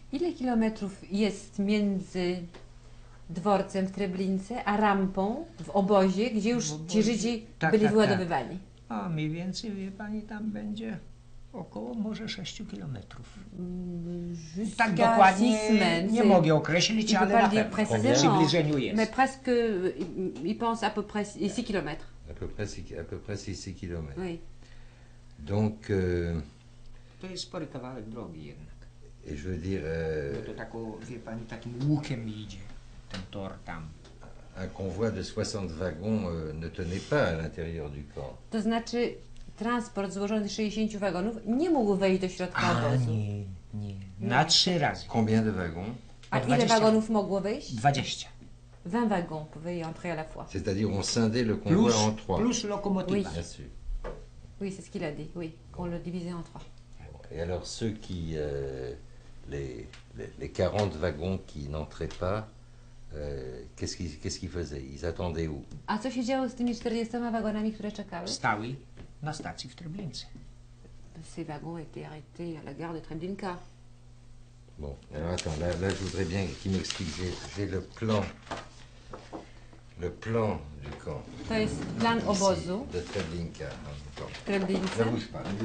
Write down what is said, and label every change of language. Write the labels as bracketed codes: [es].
[pl] Ile kilometrów jest między dworcem w Treblince a rampą w obozie, gdzie już ci Żydzi byli wyładowywani? A mniej więcej, wie pani, tam będzie około może 6 kilometrów. Tak dokładnie nie mogę określić, ale na pewno w przybliżeniu jest. [fr] Mais presque, il pense à peu près 6 kilometrów. À peu près 6 kilometrów. Oui. Donc, [pl] to jest spory kawałek drogi jednak. [fr] Et je veux dire, [pl] to tak, wie pani, takim łukiem idzie ten tor tam. [fr] Un convoi de 60 wagons ne tenait pas à l'intérieur du camp. [pl] To znaczy, transport złożony z 60 wagonów nie mógł wejść do środka obozu. Nie. Na trzy razy. [fr] Combien de wagons? [pl] A ile wagonów mogło wejść? 20. [fr] 20 wagons pouvaient y entrer à la fois. C'est-à-dire, on scindait le convoi plus, en trois. Plus locomotive. Oui. Bien sûr. Oui, c'est ce qu'il a dit. Oui, on le divisait en trois. Et alors, ceux qui. Les 40 wagons qui n'entraient pas. Qu'est-ce qu'ils faisaient? Ils attendaient où? [pl] A co się działo z tymi 40 wagonami, które czekały? Stały na stacji w Treblince. [fr] Ces wagons étaient arrêtés à la gare de Treblinka. Bon, alors attends, là je voudrais bien qu'il m'explique. J'ai le plan. Le plan du camp. [pl] To jest plan obozu. [fr] De Treblinka. [pl] Treblince. [fr] Ne bouge pas.